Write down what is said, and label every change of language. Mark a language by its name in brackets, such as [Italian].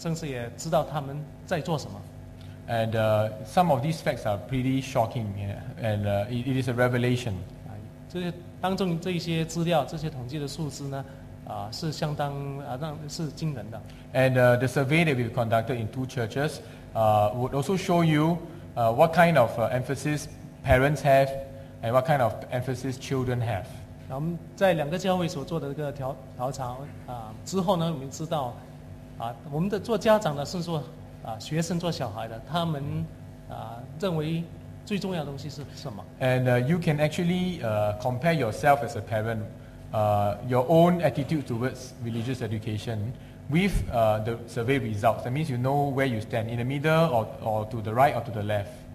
[Chinese] 不单是年轻人他们的想法，甚至也知道他们在做什么。 [English] And some of these facts are pretty shocking, and it is a revelation. [Chinese] 这些当中这一些资料、这些统计的数字呢，是相当让是惊人的。 [English] And the survey that we've conducted in two churches would also show you what kind of emphasis parents have and what kind of emphasis children have. [Chinese] 我们在两个教会所做的这个调查之后呢，我们知道，我们的做家长的，甚至说学生做小孩的，他们认为最重要的东西是什么？ [English] And you can actually compare yourself as a parent, your own attitude towards religious education with the survey results. That means you know where you stand, in the middle or to the right or to the left.